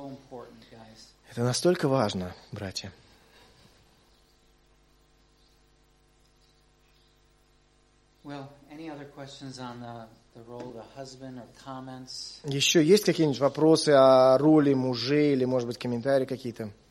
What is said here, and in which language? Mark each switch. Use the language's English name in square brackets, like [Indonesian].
[Russian] Это настолько важно, братья. [English] Well, any other questions on the role of the husband or comments? [Russian] Еще есть какие-нибудь вопросы о роли мужей или, может быть, комментарии какие-то?